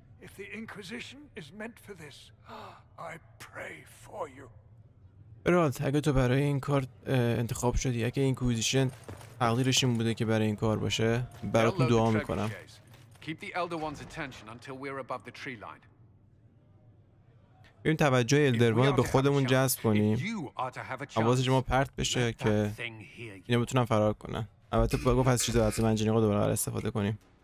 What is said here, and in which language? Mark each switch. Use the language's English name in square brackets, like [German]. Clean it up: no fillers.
[English] If the Inquisition is meant for this, I pray for you. [Persian] Herald, اگه تو برای این کار انتخاب شدی، اگه Inquisition تقدیرش این بوده که برای این کار باشه، برات دعا میکنم. [English] Keep the Elder One's attention until we're above the tree line. [Persian] این توجه Elder One به خودمون جذب کنیم. حواسش ما پرت بشه که اینا بتونن فرار کنن. البته بگو پس چیزا از منجنیقا دوباره استفاده کنیم.